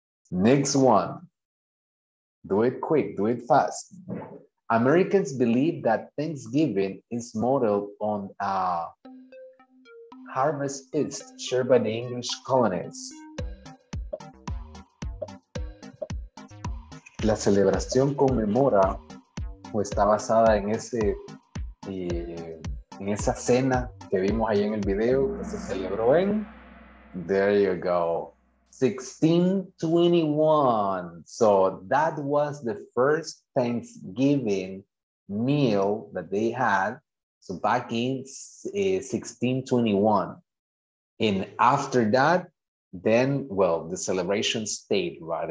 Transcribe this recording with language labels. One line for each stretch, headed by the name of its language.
English: Next one. Do it quick. Do it fast. Americans believe that Thanksgiving is modeled on a harvest feast shared by the English colonists.
Spanish: La celebración conmemora o está basada en esa cena que vimos ahí en el video que se celebró en...
English: There you go. 1621. So that was the first Thanksgiving meal that they had. So back in 1621. And after that, the celebration stayed, right?